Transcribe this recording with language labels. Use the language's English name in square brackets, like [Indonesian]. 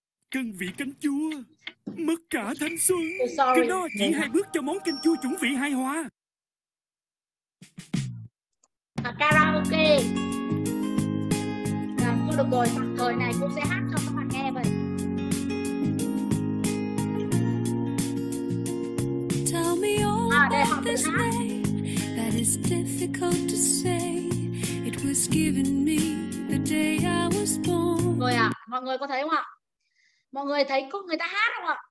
[Vietnamese] Cân vị canh chua, mất cả thanh xuân. [English] Sorry. Cái đó chỉ hai bước cho món canh chua chuẩn vị hai hoa. [Vietnamese] À, karaoke. À, thôi được rồi, tạm thời này cũng sẽ hát cho các bạn nghe vậy. [English] Tell me all about this day that is difficult to say. It was given me the day I was born. [Vietnamese] Rồi ạ, mọi người có thấy không ạ? Mọi người thấy có người ta hát không ạ?